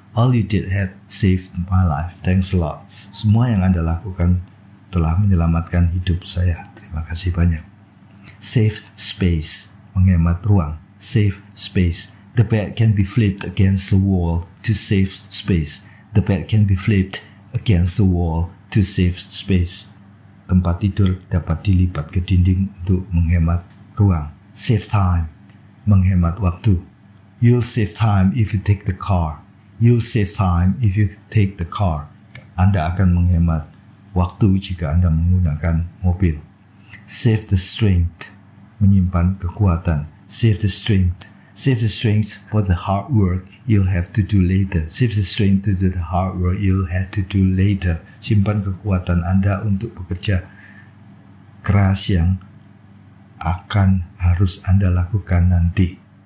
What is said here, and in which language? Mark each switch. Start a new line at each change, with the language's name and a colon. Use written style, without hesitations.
English: All you did had saved my life. Thanks a lot.
Indonesian: Semua yang Anda lakukan telah menyelamatkan hidup saya. Terima kasih banyak.
English: Save space.
Indonesian: Menghemat ruang.
English: Save space. The bed can be flipped against the wall to save space. The bed can be flipped against the wall to save space.
Indonesian: Tempat tidur dapat dilipat ke dinding untuk menghemat ruang.
English: Save time.
Indonesian: Menghemat waktu.
English: You'll save time if you take the car. You'll save time if you take the car.
Indonesian: Anda akan menghemat waktu jika Anda menggunakan mobil.
English: Save the strength.
Indonesian: Menyimpan kekuatan.
English: Save the strength. Save the strength for the hard work you'll have to do later. Save the strength to do the hard work you'll have to do later.
Indonesian: Simpan kekuatan Anda untuk bekerja keras yang akan harus Anda lakukan nanti.